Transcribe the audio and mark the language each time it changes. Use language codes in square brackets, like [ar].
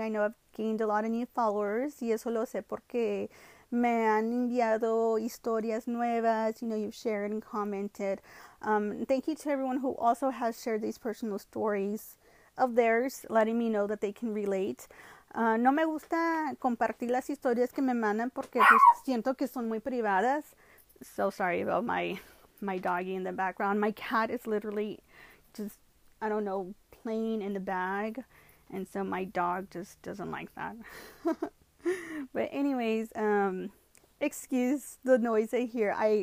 [en] I know I've gained a lot of new followers. Y eso lo sé porque me han enviado historias nuevas, you know, you've shared and commented. Thank you to everyone who also has shared these personal stories of theirs, letting me know that they can relate. [es] No me gusta compartir las historias que me mandan porque pues, siento que son muy privadas. [en] So sorry about my doggy in the background. My cat is literally just, I don't know, playing in the bag. And so my dog just doesn't like that. But anyways, excuse the noise I hear.